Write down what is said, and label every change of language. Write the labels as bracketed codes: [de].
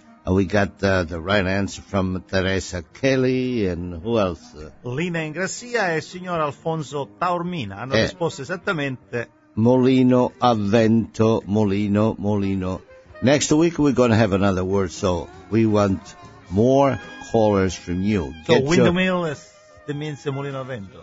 [en] We got the right answer from Teresa Kelly and who else? [it] Lina Ingrassia e signor Alfonso Taormina hanno risposto esattamente. Molino a vento, molino, molino. [en] Next week we're going to have another word, so we want more callers from you. So windmill is the means of molino a vento.